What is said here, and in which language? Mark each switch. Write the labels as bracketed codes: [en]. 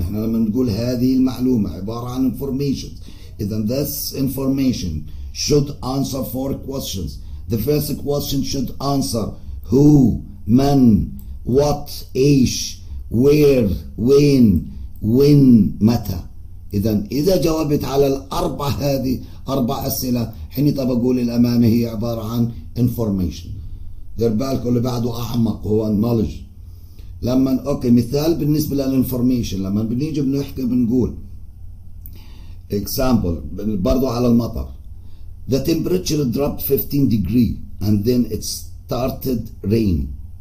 [ar] إحنا لما نقول هذه المعلومة عبارة عن انفورميشن، إذا [en] this information should answer four questions. The first question should answer who, [ar] من, [en] what, [ar] ايش, [en] where, when, [ar] متى. إذا جاوبت على الأربع هذه أربع أسئلة حيني طب أقول الأمامي هي عبارة عن information. دير بالك اللي بعده أعمق هو knowledge. لما أوكي مثال بالنسبة للinformation، لما بنيجي بنحكي بنقول example برضو على المطر [en] the temperature dropped 15 degree and then it started raining.